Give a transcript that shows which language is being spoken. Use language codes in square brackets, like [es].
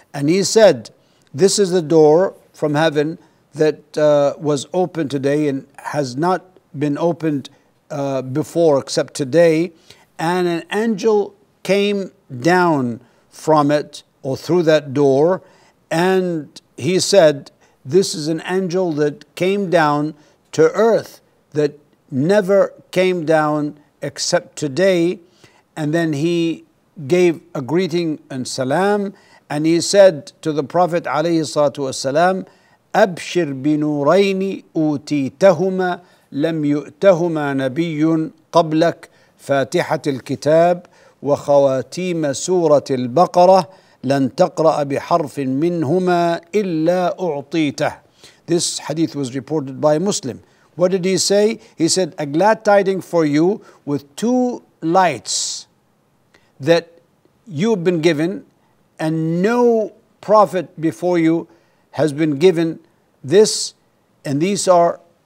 [en] And he said, this is the door from heaven that was opened today and has not been opened before except today, and an angel came down from it or through that door, and he said, this is an angel that came down to earth that never came down except today. And then he gave a greeting and salam, and he said to the Prophet alayhi salatu wasalam, [ar] أَبْشِرْ بِنُورَيْنِ أُوْتِيْتَهُمَا لَمْ يُؤْتَهُمَا نَبِيٌّ قَبْلَكَ فَاتِحَةِ الْكِتَابِ وَخَوَاتِيمَ سُورَةِ الْبَقَرَةِ لَنْ تَقْرَأَ بِحَرْفٍ مِّنْهُمَا إِلَّا أُعْطِيْتَهُ. [en] This hadith was reported by a Muslim. What did he say? He said, a glad tiding for you with two lights that you've been given, and no prophet before you has been given this, and these are